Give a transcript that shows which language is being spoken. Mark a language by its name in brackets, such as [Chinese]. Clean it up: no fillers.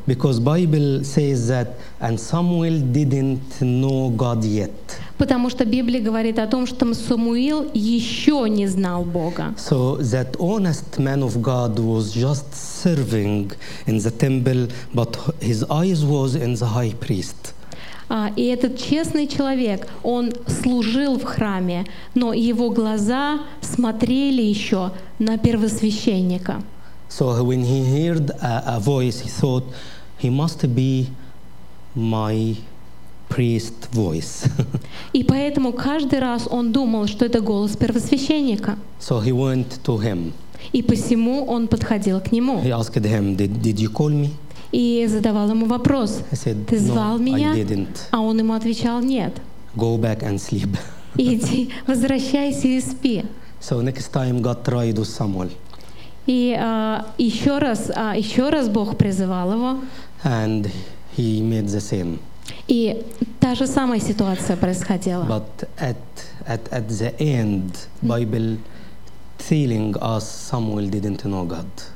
[English] Because Bible says that, and Samuel didn't know God yet. [Russian] Потому что Библия говорит о том, что Самуил еще не знал Бога. [English] So that honest man of God was just serving in the temple, but his eyes was in the high priest. [Russian] И этот честный человек, он служил в храме, но его глаза смотрели еще на первосвященника. [English] So when he heard a voice, he thought he must be my priest voice. [Russian] И поэтому каждый раз он думал, что это голос первосвященника. [English] So he went to him. [Russian] И посему он подходил к нему. [English] He asked him, did you call me? [Russian] и задавал ему вопрос. Ты звал меня? А он ему отвечал нет. [English] Go back and sleep. [Russian] Иди, возвращайся и спи. [English] So next time God tried to Samuel. [Russian] И еще раз Бог призывал его. [English] And he made the same. [Russian] И та же самая ситуация происходила. [English] But at the end, Bible telling us Samuel didn't know God.